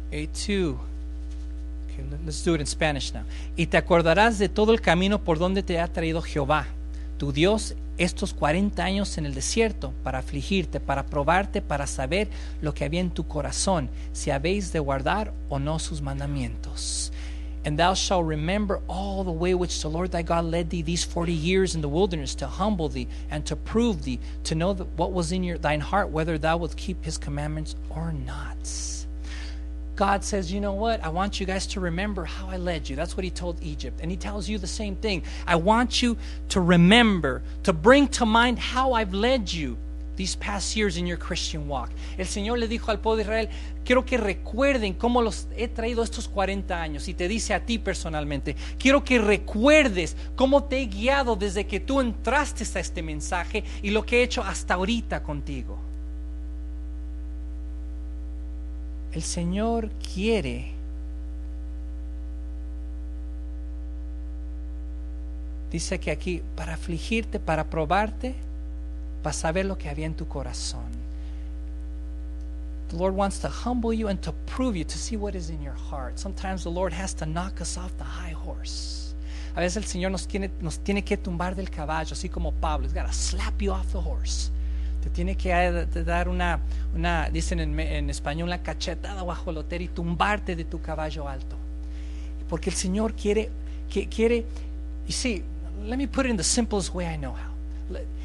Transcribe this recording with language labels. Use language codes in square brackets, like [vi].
[en] Okay, let's do it in Spanish now. [es] Y te acordarás de todo el camino por donde te ha traído Jehová, tu Dios, estos 40 años en el desierto, para afligirte, para probarte, para saber lo que había en tu corazón, si habéis de guardar o no sus mandamientos. [en] And thou shalt remember all the way which the Lord thy God led thee these 40 years in the wilderness, to humble thee and to prove thee, to know what was in thine heart, whether thou wilt keep his commandments or not. God says, you know what? I want you guys to remember how I led you. That's what he told Egypt. And he tells you the same thing. I want you to remember, to bring to mind how I've led you these past years in your Christian walk. [es] El Señor le dijo al pueblo de Israel, quiero que recuerden cómo los he traído estos 40 años. Y te dice a ti personalmente, quiero que recuerdes cómo te he guiado desde que tú entraste a este mensaje y lo que he hecho hasta ahorita contigo. El Señor quiere dice que aquí para afligirte, para probarte, para saber lo que había en tu corazón. [en] The Lord wants to humble you and to prove you, to see what is in your heart. Sometimes the Lord has to knock us off the high horse. [es] A veces el Señor nos tiene que tumbar del caballo, así como Pablo. [en] He's got to slap you off the horse. [es] Te tiene que dar una dicen en español, una cachetada bajo el lotero y tumbarte de tu caballo alto. Porque el Señor quiere, [en] you see, let me put it in the simplest way I know how.